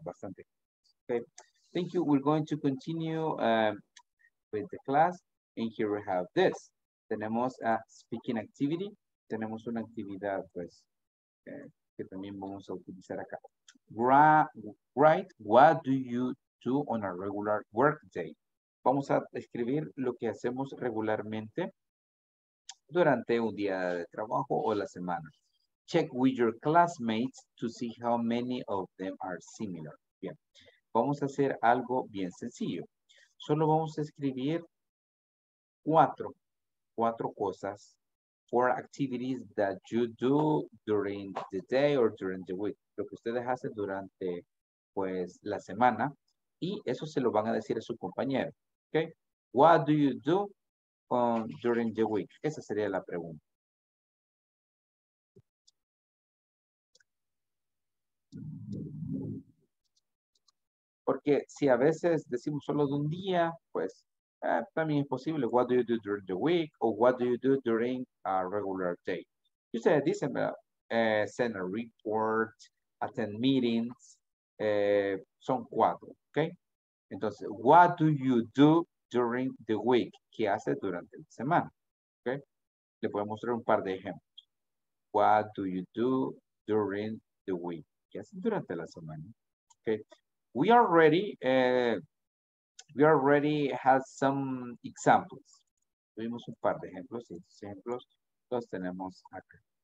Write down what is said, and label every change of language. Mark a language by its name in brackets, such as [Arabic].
[English] Bastante. Okay. Thank you. We're going to continue with the class. And here we have this. Tenemos a speaking activity. [Spanish] Tenemos una actividad, pues, que también vamos a utilizar acá. [English] Write what do you do on a regular work day. [Spanish] Vamos a escribir lo que hacemos regularmente durante un día de trabajo o la semana. [English] Check with your classmates to see how many of them are similar. [Spanish] Bien. Vamos a hacer algo bien sencillo. Solo vamos a escribir cuatro cosas, [English] four activities that you do during the day or during the week, [Spanish] lo que ustedes hacen durante, pues, la semana, y eso se lo van a decir a su compañero, okay? [English] What do you do during the week? [Spanish] Esa sería la pregunta. Porque si a veces decimos solo de un día, pues también es posible. [English] What do you do during the week? O what do you do during a regular day? [Spanish] Y ustedes dicen, [English] send a report, attend meetings. [Spanish] Son cuatro, ¿ok? Entonces, [English] what do you do during the week? [Spanish] ¿Qué hace durante la semana? ¿Ok? Le voy a mostrar un par de ejemplos. What do you do during the week? ¿Qué hace durante la semana? ¿Ok? [English] We already had some examples. [Spanish] Tuvimos un par de ejemplos. Estos ejemplos los tenemos acá.